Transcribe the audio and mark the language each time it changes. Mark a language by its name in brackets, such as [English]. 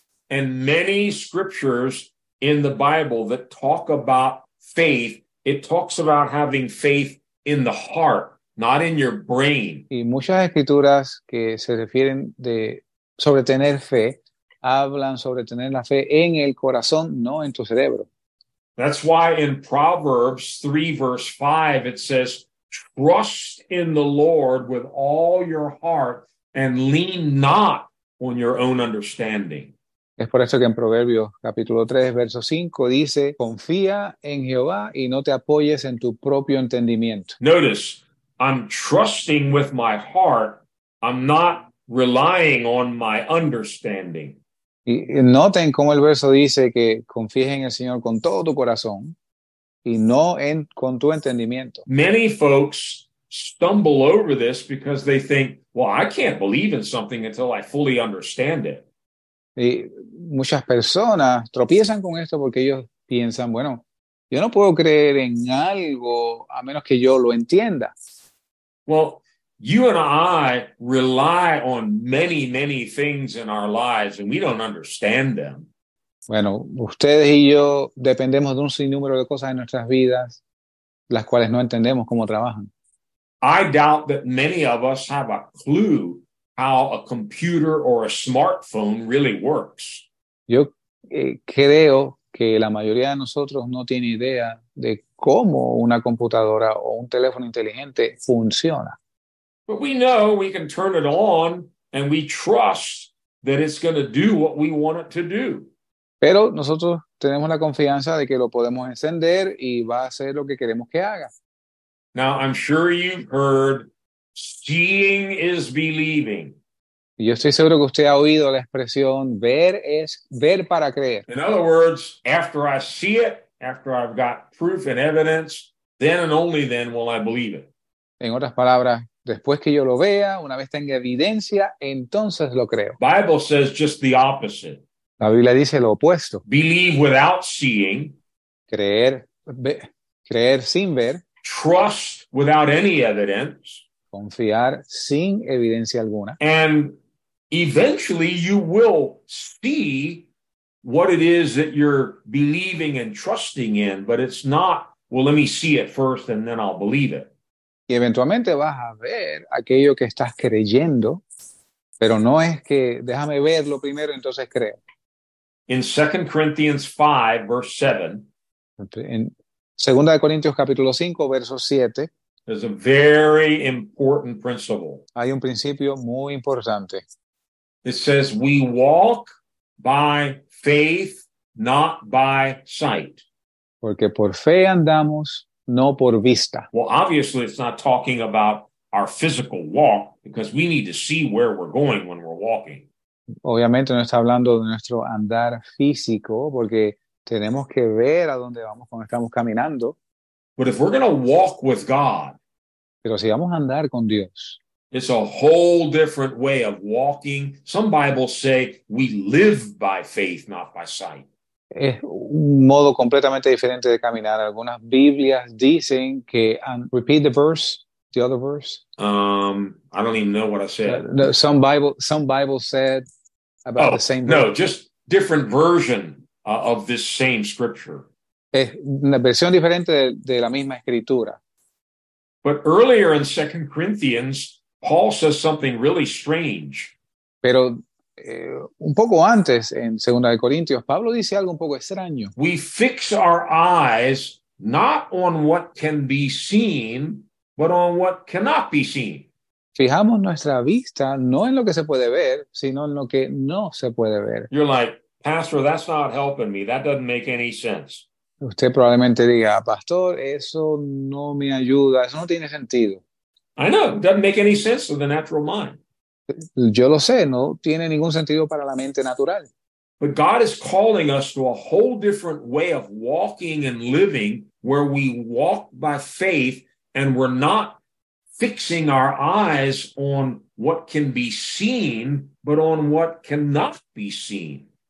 [English] And many scriptures in the Bible that talk about faith, it talks about having faith in the heart, not in your brain. [Spanish] Y muchas escrituras que se refieren sobre tener fe, hablan sobre tener la fe en el corazón, no en tu cerebro. [English] That's why in Proverbs 3, verse 5, it says, trust in the Lord with all your heart and lean not on your own understanding. [Spanish] Es por eso que en Proverbios, capítulo 3, verso 5, dice, confía en Jehová y no te apoyes en tu propio entendimiento. [English] Notice, I'm trusting with my heart, I'm not relying on my understanding. [Spanish] Noten cómo el verso dice que confíes en el Señor con todo tu corazón y no en con tu entendimiento. [English] Many folks stumble over this because they think, well, I can't believe in something until I fully understand it. [Spanish] Y muchas personas tropiezan con esto porque ellos piensan, bueno, yo no puedo creer en algo a menos que yo lo entienda. [English] Well, you and I rely on many, many things in our lives and we don't understand them. [Spanish] Bueno, ustedes y yo dependemos de un sinnúmero de cosas en nuestras vidas, las cuales no entendemos cómo trabajan. [English] I doubt that many of us have a clue how a computer or a smartphone really works. [Spanish] Yo creo que la mayoría de nosotros no tiene idea de cómo una computadora o un teléfono inteligente funciona. [English] But we know we can turn it on and we trust that it's going to do what we want it to do. [Spanish] Pero nosotros tenemos la confianza de que lo podemos encender y va a hacer lo que queremos que haga. [English] Now, I'm sure you've heard, seeing is believing. [Spanish] Yo estoy seguro que usted ha oído la expresión, ver es ver para creer. [English] In other words, after I see it, after I've got proof and evidence, then and only then will I believe it. [Spanish] En otras palabras, después que yo lo vea, una vez tenga evidencia, entonces lo creo. [English] Bible says just the opposite. [Spanish] La Biblia dice lo opuesto. [English] Believe without seeing. [Spanish] Creer sin ver. [English] Trust without any evidence. [Spanish] Confiar sin evidencia alguna. [English] And eventually you will see what it is that you're believing and trusting in, but it's not, well, let me see it first and then I'll believe it. [Spanish] Y eventualmente vas a ver aquello que estás creyendo, pero no es que déjame verlo primero, entonces creo. [English] In 2 Corinthians 5, verse 7, [Spanish] en Segunda de Corintios capítulo 5, verso 7, [English] there's a very important principle. [Spanish] Hay un principio muy importante. [English] It says, we walk by faith, not by sight. [Spanish] Porque por fe andamos, no por vista. [English] Well, obviously, it's not talking about our physical walk, because we need to see where we're going when we're walking. [Spanish] Obviamente no está hablando de nuestro andar físico porque tenemos que ver a dónde vamos cuando estamos caminando. [English] But if we're going to walk with God, [Spanish] pero si vamos a andar con Dios, [English] it's a whole different way of walking. Some Bibles say we live by faith, not by sight. [Spanish] Es un modo completamente diferente de caminar. Algunas Biblias dicen que, [English] and repeat the verse. The other verse? I don't even know what I said. No, some Bible said about the same verse. No, just different version of this same scripture. [Spanish] Es una versión diferente de la misma escritura. [English] But earlier in 2 Corinthians, Paul says something really strange. [Spanish] Pero un poco antes, en Segunda de Corintios, Pablo dice algo un poco extraño. [English] We fix our eyes not on what can be seen, but on what cannot be seen. [Spanish] Fijamos nuestra vista no en lo que se puede ver, sino en lo que no se puede ver. [English] You're like, Pastor, that's not helping me. That doesn't make any sense. [Spanish] Usted probablemente diga, Pastor, eso no me ayuda. Eso no tiene sentido. [English] I know. It doesn't make any sense to the natural mind. [Spanish] Yo lo sé. No tiene ningún sentido para la mente natural. [English] But God is calling us to a whole different way of walking and living where we walk by faith. And we're not fixing our eyes on what can be seen, but on what cannot be seen.